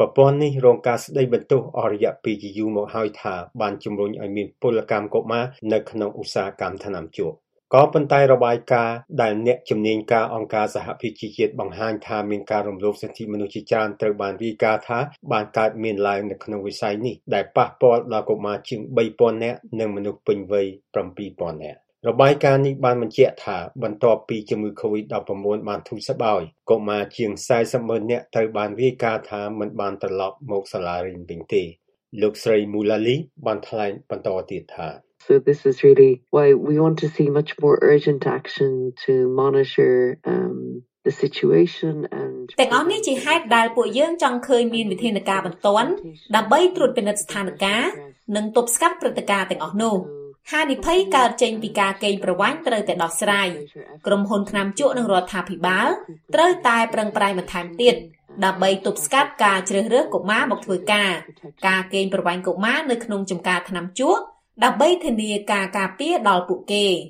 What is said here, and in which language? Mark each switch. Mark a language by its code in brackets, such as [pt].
[km] ប្រព័ន្ធនេះរងការស្ដីបន្ទោសអរយៈពេលយូរមកហើយថាបានជំរុញឲ្យមានពលកម្មកុមារនៅក្នុងឧស្សាហកម្មថ្នាំជក់ក៏ប៉ុន្តែរបាយការណ៍ដែលអ្នកជំនាញការអង្គការសហភាពជាតិបង្ហាញថាមានការរំលោភសិទ្ធិមនុស្សជាច្រើនត្រូវបានរាយការណ៍ថាបានកើតមានឡើងនៅក្នុងវិស័យនេះដែលប៉ះពាល់ដល់កុមារជាង 3,000 នាក់និងមនុស្សពេញវ័យ 7,000 នាក់របាយការណ៍នេះបានបញ្ជាក់ថាបន្ទាប់ពីជំងឺ COVID-19 បានធូរស្បើយកុមារជាង 400,000 នាក់ត្រូវបានរាយការណ៍ថាមិនបានត្រឡប់មកសាលារៀនវិញទេលោកស្រីមូឡាលីបានថ្លែងបន្តទៀតថា [en] So this is really why we want to see much more urgent action to monitor the situation and [km] តែអនេះជាហេតុដែលពួកយើងចង់ឃើញមានវិធានការបន្ទាន់ដើម្បីត្រួតពិនិត្យស្ថានភាពនិងទប់ស្កាត់ព្រឹត្តិការណ៍ទាំងអស់នោះហានិភ័យកើតចេញពីការកេងប្រវ័ញ្ចត្រូវតែដោះស្រាយក្រុមហ៊ុនថ្នាំជក់និងរដ្ឋាភិបាលត្រូវតែប្រឹងប្រែងបន្ថែមទៀតដើម្បីទប់ស្កាត់ការជ្រើសរើសកុមារមកធ្វើការការកេងប្រវ័ញ្ចកុមារនៅក្នុងចំការថ្នាំជក់ដើម្បីធានាការការពារដល់ពួកគេ